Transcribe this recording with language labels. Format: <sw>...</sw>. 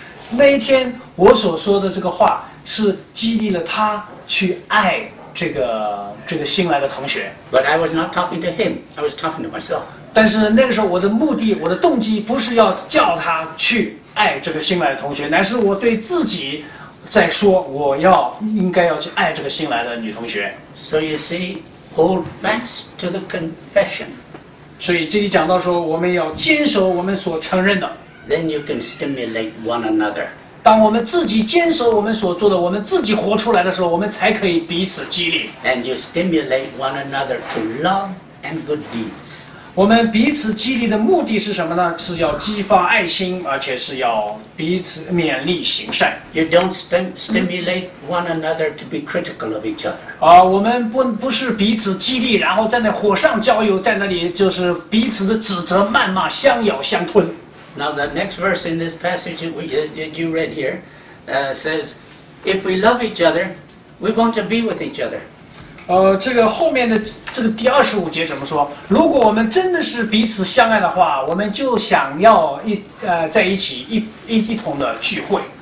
<zh>那一天我所说的这个话是激励了他去爱这个新来的同学。</zh> <en>But I was not talking to him. I was talking to myself.</en> <zh>但是那个时候我的目的，我的动机不是要叫他去爱这个新来的同学，乃是我对自己。再说，我要应该要去爱这个新来的女同学。</zh> <en>So you see, hold fast to the confession.</en> <zh>所以这里讲到说，我们要坚守我们所承认的。</zh> <en>Then you can stimulate one another.</en> <zh>当我们自己坚守我们所做的，我们自己活出来的时候，我们才可以彼此激励。</zh> <en>And you stimulate one another to love and good deeds.</en> <zh>我们彼此激励的目的是什么呢？是要激发爱心，而且是要。彼此勉励行善。</zh> <en>You don't stimulate one another to be critical of each other.</en> <zh>我们不是彼此激励，然后在那火上浇油，在那里就是彼此的指责、谩骂、相咬相吞。</zh> <en>Now the next verse in this passage you read here, says, "If we love each other, we want to be with each other."</en> <zh>这个后面的这个第二十五节怎么说？如果我们真的是彼此相爱的话，我们就想要在一起一同的聚会。</zh>